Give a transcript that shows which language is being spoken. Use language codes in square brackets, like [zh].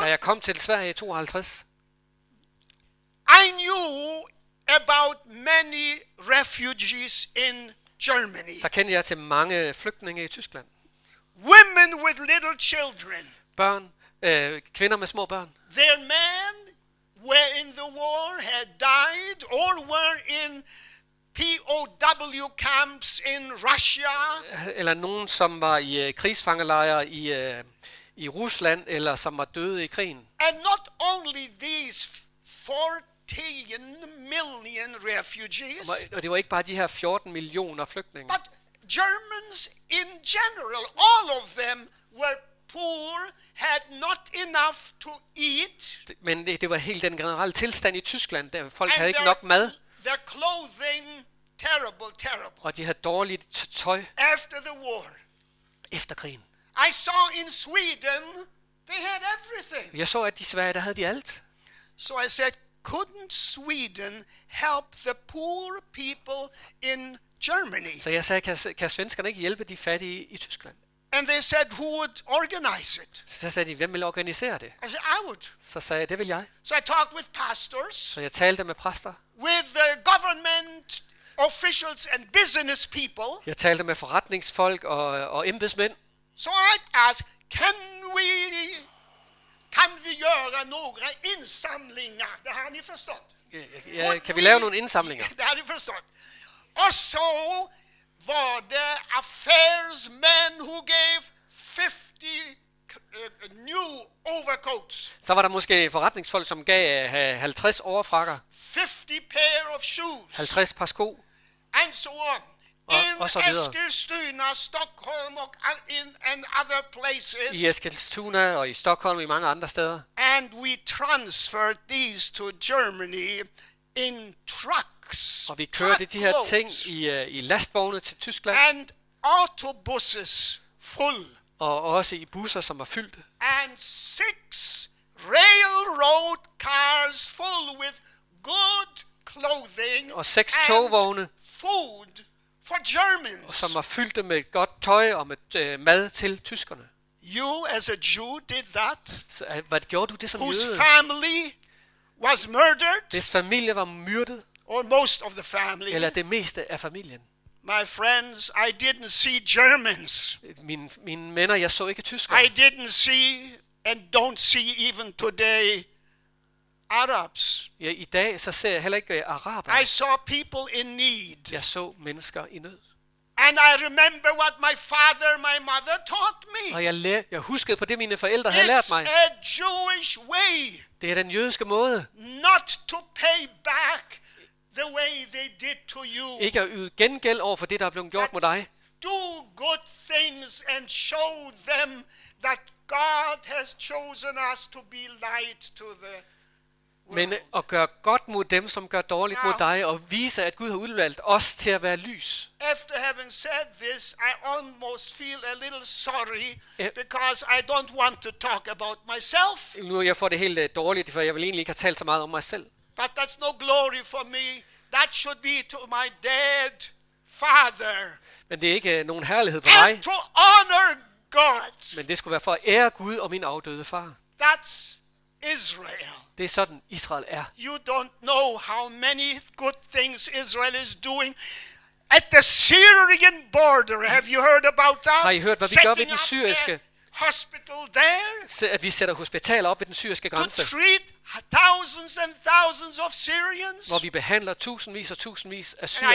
[da] da jeg kom til Sverige i 52, [en] I knew about many refugees in Germany. [da] Så kendte jeg til mange flygtninge i Tyskland. [en] Women with little children. [da] Børn, kvinder med små børn. [en] Their men were in the war, had died, or were in POW camps in Russia. [da] Eller nogen, som var i krigsfangelejre i Rusland, eller som var døde i krigen. [en] And not only these 14 million refugees. [da] Og det var ikke bare de her 14 millioner flygtninge. [en] But Germans in general, all of them were poor, had not enough to eat. [da] Men det var helt den generelle tilstand i Tyskland, der folk havde ikke nok mad. [en] Their clothing t- terrible, terrible. [da] Og de havde dårligt tøj. [en] After the war. [da] Efter krigen. [en] I saw in Sweden they had everything. [da] Jeg så at i Sverige der havde de alt. [en] So I said, couldn't Sweden help the poor people in Germany? [da] Så jeg sagde, kan svenskerne ikke hjælpe de fattige i Tyskland? [en] And they said, who would organize it? [da] Så sagde de, hvem vil organisere det? [en] I said, I would. [da] Så sagde jeg, det vil jeg. [en] So I talked with pastors. [da] Så jeg talte med præster. [en] With the government officials and business people. [da] Jeg talte med forretningsfolk og embedsmænd. [en] So I asked, [da] kan vi gøre nogle indsamlinger? [sv] Det har ni forstået. [da] Kan vi lave nogle indsamlinger? [sv] Det har ni forstået. Og så var det affærsmænd, [en] who gave 50 new overcoats. [da] Så var der måske forretningsfolk, som gav 50 overfrakker. [en] 50 pair of shoes. [da] 50 par sko. [en] And so on. Eskilstuna, Stockholm and other places. [da] I Eskilstuna og i Stockholm og i mange andre steder. [en] And we transferred these to Germany in trucks. [da] Og vi kørte de her ting i lastvogne til Tyskland. [en] And autobuses full. [da] Og også i busser som var fyldte. [en] And 6 railroad cars full with good clothing. [da] Og 6 togvogne. [en] Food. For Germans. [da] Og som var fyldt med godt tøj og med mad til tyskerne. [en] You as a Jew did that? [da] Så hvad gjorde du det som jøde? [en] Whose family was murdered? [da] Hvis familie var myrdet? [en] Or most of the family? [da] Eller det meste af familien? [en] My friends, I didn't see Germans. [da] Mine venner, jeg så ikke tyskere. [en] I didn't see and don't see even today Arabs. [da] Ja, i dag så ser jeg heller ikke araber. [en] I saw people in need. [da] Jeg så mennesker i nød. [en] And I remember what my father, my mother taught me. [da] Og jeg huskede på det mine forældre havde lært mig. [en] A Jewish way. [da] Det er den jødiske måde. [en] Not to pay back the way they did to you. [da] Ikke at yde gengæld over for det der er blevet gjort mod dig. [en] Do good things and show them that God has chosen us to be light to the. [da] Men at gøre godt mod dem, som gør dårligt mod dig, og vise, at Gud har udvalgt os til at være lys. [en] After having said this, I almost feel a little sorry because I don't want to talk about myself. [da] Nu jeg får det helt dårligt, for jeg vil egentlig ikke have talt så meget om mig selv. [en] But that's no glory for me. That should be to my dead father. [da] Men det er ikke nogen herlighed for mig. [en] To honor God. [da] Men det skulle være for at ære Gud og min afdøde far. [en] That's Israel. [da] Det er sådan Israel er. [en] You don't know how many good things Israel is doing at the Syrian border. Have you heard about that? [da] Har I hørt hvad vi gør ved den syriske? [en] Hospital there. [da] At vi sætter hospitaler op ved den syriske grænse. [en] To treat thousands and thousands of Syrians. [da] Hvor vi behandler tusindvis og tusindvis af syrere.